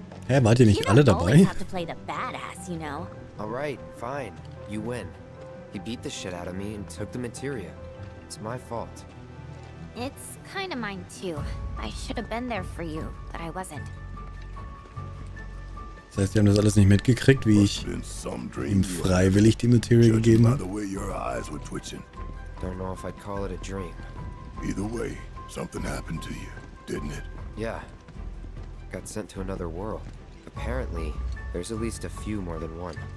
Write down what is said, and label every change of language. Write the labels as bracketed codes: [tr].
[de] Hä, wart ihr nicht alle dabei? [en] Have to play the badass, you know? All right, fine. You win. He beat the shit out of me and took the materia. It's my fault. It's kind of mine too. I should have been there for you, but I wasn't. [de] Das heißt, die haben das alles nicht mitgekriegt, wie ich ihm freiwillig die Materie gegeben habe. [en] Don't know if I'd call it a dream. Either way, something happened to you, didn't it? Yeah. Got sent to another world. Apparently, there's at least a few more than one.